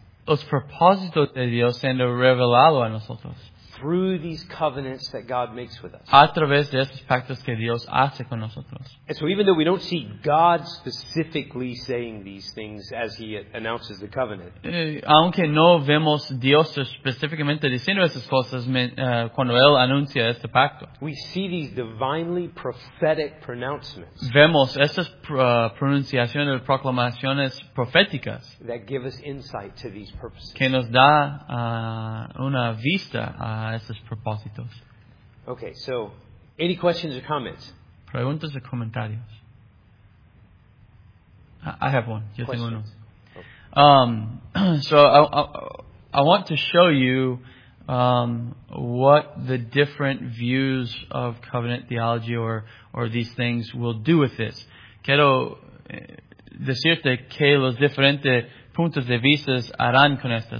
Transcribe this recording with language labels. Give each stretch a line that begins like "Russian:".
Spanish: Los propósitos de Dios siendo revelados a nosotros.
English: Through these covenants that God makes with us.
Spanish: A través de estos pactos que Dios hace con nosotros.
English: And so even though we don't see God specifically saying these things as he announces the covenant.
Spanish: Aunque no vemos Dios específicamente diciendo estas cosas cuando él anuncia este pacto.
English: We see these divinely prophetic pronouncements.
Spanish: Vemos estas pronunciaciones, proclamaciones proféticas.
English: That give us insight to these purposes.
Spanish: Que nos da una vista a estos propósitos.
English: Okay, so any questions or comments?
Spanish: Preguntas o comentarios.
English: I have one. Yo questions.
Spanish: Tengo uno.
English: So I want to show you what the different views of covenant theology or these things will do with this.
Spanish: Quiero decirte que los diferentes puntos de vista harán con esto.